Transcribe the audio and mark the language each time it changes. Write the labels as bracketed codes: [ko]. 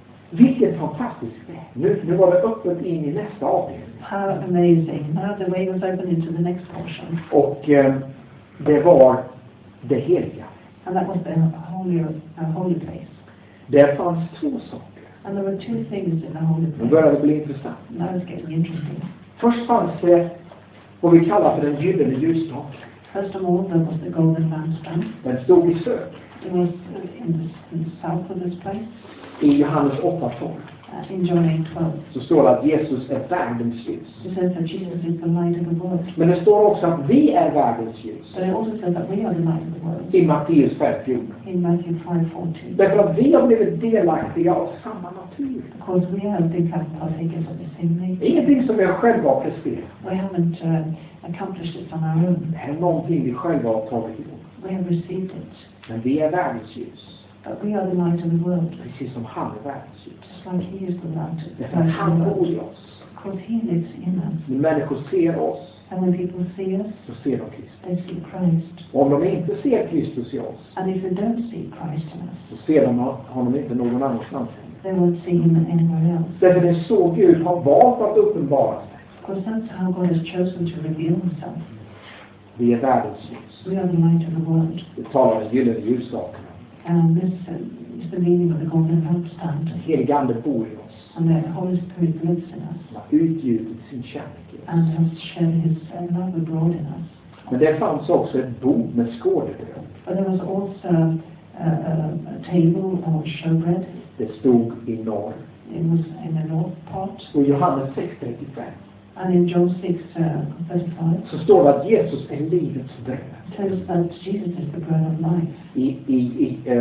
[sv] vilket fantastiskt väg. Nu var det öppet in i nästa avdelning. [en] How amazing. Now the way was open into the next portion. [sv] Och det var det heliga. [en] And that was the holy place. [sv] Där fanns två saker. [en] And there were two things in the holy place. [sv] Nu började det bli intressant. [en] Now it's getting interesting. [sv] Först fanns det vad vi kallar för den gyllene ljusstaken. [en] First of all, there was the golden lampstand. [sv] Den stod i söder. [en] It was in the south of this place. [sv] I Johannes 8:12. [en] In John 8:12. [sv] Så står det att Jesus är världens ljus. [en] It says that Jesus is the light of the world. [sv] Men det står också att vi är världens ljus. [en] But it also says that we are the light of the world. [sv] I Matteus 5:14. [en] In Matthew 5:14. [sv] Därför att vi har blivit delaktiga av samma natur. [en] Because we have become partakers of the same nature. [sv] Ingenting som vi själva har presterat. [en] We haven't accomplished it on our own. [sv] Det är någonting vi själva har tagit emot. [en] We have received it. [sv] Men vi är världens ljus. [en] But we are the light of the world. [sv] Precis som han är världens ljus. [en] Just like he is the light of the [sv] world. Därför han bor i oss. [en] Because he lives in us. [sv] När människor ser oss. [en] And when people see us. [sv] Så ser de Kristus. [en] They see Christ. [sv] Och om de inte ser Kristus i oss. [en] And if they don't see Christ in us. [sv] Så ser de honom inte någon annanstans. [en] They won't see him anywhere else. [sv] Därför det är så Gud har valt att uppenbara sig. [en] Because that's how God has chosen to reveal himself. The Apparitions. We are the light of the world. The Torah, you know, you've spoken. And this is the meaning of the golden lampstand. [sv] Den helige ande bor i oss. [en] And the Holy Spirit lives in us. [sv] Han har utgjutit sin kärlek i oss. [en] And has shed his love abroad in us. [sv] Men det fanns också ett bord med skådebröd. [en] And there was also a table or showbread. [sv] Det stod i norr. [en] It was in the north part. [sv] Och Johannes 6:35. [en] And in John 6:35. [sv] Så står det att Jesus är livets bröd. [en] Tells that Jesus is the bread of life.